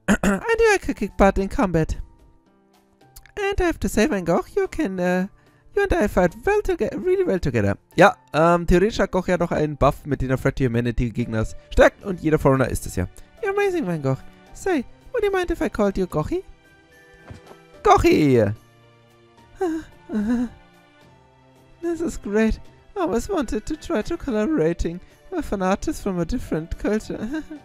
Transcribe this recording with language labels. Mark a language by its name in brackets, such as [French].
[English] I knew I could kick butt in combat. And I have to say, Van Gogh, you can, you and I fight well together, really well together. [German] Ja, theoretisch hat Gogh ja noch einen Buff, mit dem er Threat to Humanity Gegners stärkt und jeder Foreigner ist es ja. [English] You're amazing, Van Gogh. Say, would you mind if I called you Gochi? Gochi! This is great. I always wanted to try to collaborating with an artist from a different culture.